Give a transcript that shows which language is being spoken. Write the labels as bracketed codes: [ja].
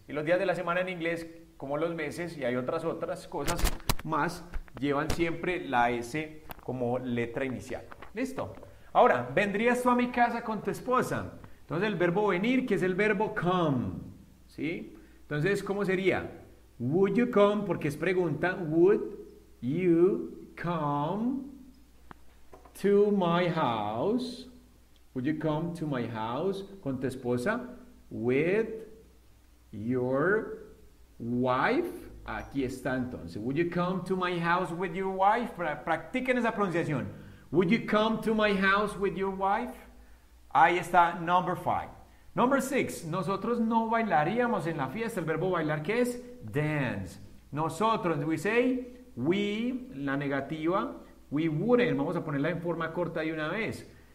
[es] Y los días de la semana en inglés, como los meses, y hay otras cosas más, llevan siempre la S como letra inicial. ¿Listo? Ahora, ¿vendrías tú a mi casa con tu esposa? Entonces, el verbo venir, que es el verbo come, ¿sí? Entonces, ¿cómo sería? [en] Would you come, [es] porque es pregunta, [en] would you come to my house? Would you come to my house [es] con tu esposa? [en] With your wife? [es] Aquí está entonces. [en] Would you come to my house with your wife? [es] Practiquen esa pronunciación. [en] Would you come to my house with your wife? [es] Ahí está, [en] number five. Number six. [es] Nosotros no bailaríamos en la fiesta. El verbo bailar, ¿qué es? Dance. [en] Nosotros, we say, we, [es] la negativa, [en] we wouldn't. [es] Vamos a ponerla en forma corta de una vez.